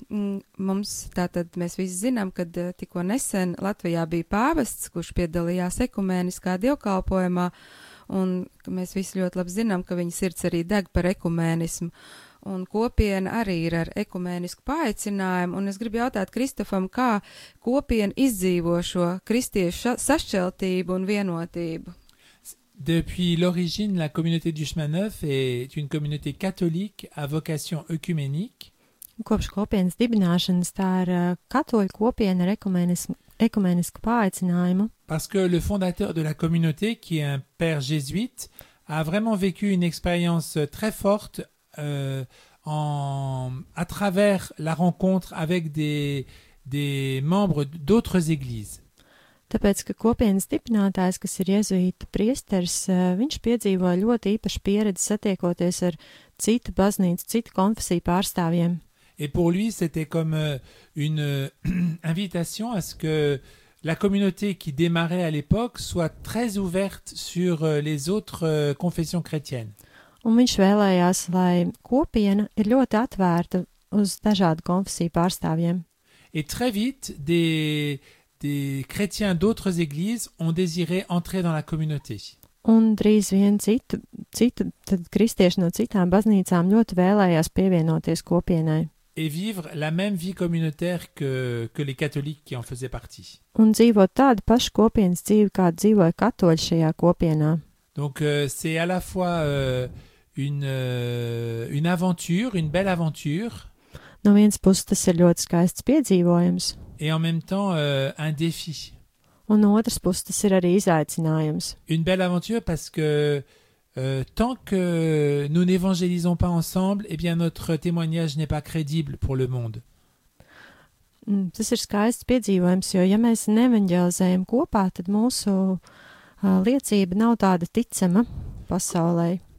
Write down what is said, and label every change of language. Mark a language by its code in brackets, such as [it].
[lv] Mums tātad mēs visi zinām, kad tikko nesen Latvijā bija pāvests, kurš piedalījās ekumēniskā dievkalpojumā, un mēs visi ļoti labi zinām, ka viņa sirds arī deg par ekumēnismu, un kopiena arī ir ar ekumēnisku paaicinājumu, un es gribu jautāt Kristofam, kā kopiena izdzīvo šo kristiešu sašķeltību un vienotību. [fr] Depuis l'origine, la communauté du chemin neuf est une communauté catholique à vocation œcuménique. [lv] Kopš kopienas dibināšanas tā ir katoļu kopiena ar ekumenisku paaicinājumu. [fr] Parce que le fondateur de la communauté, qui est un père jésuite, a vraiment vécu une expérience très forte à travers la rencontre avec des membres d'autres églises. [lv] Tāpēc, ka kopienas dibinātājs, kas ir jezuīta priesters, viņš piedzīvo ļoti īpašu pieredzi satiekoties ar citu baznīcu, citu konfesiju pārstāvjiem. [fr] Et pour lui, c'était comme une invitation à ce que la communauté qui démarrait à l'époque soit très ouverte sur les autres confessions chrétiennes. [lv] Un viņš vēlējās, lai kopiena ir ļoti atvērta uz dažādu konfesiju pārstāvjiem. [fr] Et très vite, des chrétiens d'autres églises ont désiré entrer dans la communauté. [lv] Un drīz vien citu tad kristieši no citām baznīcām ļoti vēlējās pievienoties kopienai. [fr] Et vivre la même vie communautaire que les catholiques qui en faisaient partie. [lv] Un dzīvo tādu pašu kopienas dzīvi, kā dzīvoja katoļi šajā kopienā. [fr] Donc c'est à la fois une aventure, une belle aventure. [lv] No vienas puses tas ir ļoti skaists piedzīvojums. [fr] Et en même temps un défi. [lv] Un no otras puses tas ir arī izaicinājums. [fr] Une belle aventure parce que tant que nous n'évangélisons pas ensemble, eh bien notre témoignage n'est pas crédible pour le monde. [lv] Tas ir skaists piedzīvojums, jo ja mēs neevangelizējam kopā, tad mūsu liecība nav tāda ticama pasaulē.